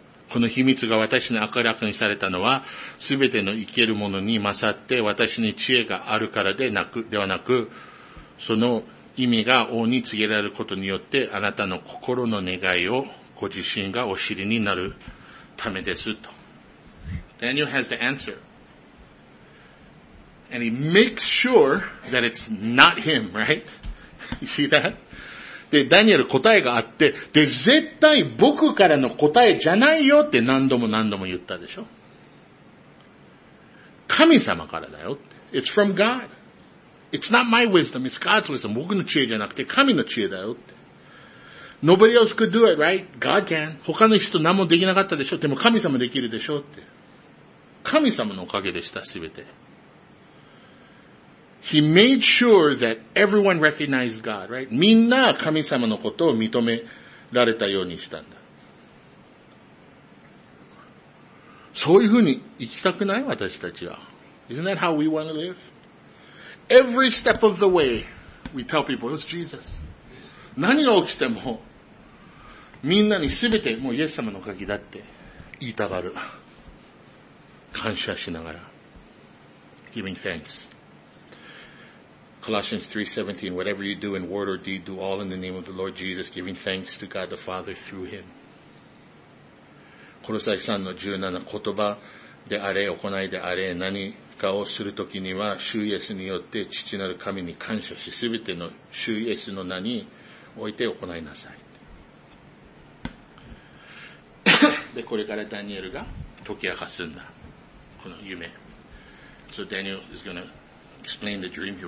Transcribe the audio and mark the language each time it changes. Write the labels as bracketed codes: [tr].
[ja] この秘密が私に明らかにされたのは、すべての生けるものに勝って私に知恵があるからでなく、ではなく、その意味が王に告げられることによって、あなたの心の願いをご自身がお知りになるためですと。 [en] Daniel has the answer. And he makes sure that it's not him, right? You see that? [ja] で、ダニエル答えがあって、で、絶対僕からの答えじゃないよって何度も何度も言ったでしょ。神様からだよ。 [en] It's from God. It's not my wisdom, it's God's wisdom. [ja] 僕の知恵じゃなくて神の知恵だよって。 [en] Nobody else could do it, right? God can. [ja] 他の人何もできなかったでしょ。でも神様できるでしょって。神様のおかげでした、すべて。 [en] He made sure that everyone recognized God, right? [ja] みんな神様のことを認められたようにしたんだ。そういうふうに生きたくない? 私たちは。 [en] Isn't that how we want to live? Every step of the way, we tell people, it's Jesus. [ja] 何が起きても、みんなにすべてもうイエス様のおかげだって言いたがる。感謝しながら。 [en] Giving thanks. Colossians 3:17, whatever you do in word or deed, do all in the name of the Lord Jesus, giving thanks to God the Father through him. [ja] コロサイ3の17、言葉であれ、行いであれ、何かをするときには、主イエスによって父なる神に感謝し、すべての主イエスの名において行いなさい。で、これからダニエルが解き明かすんだ。この夢。 [en] So Daniel is gonna explain the dream here.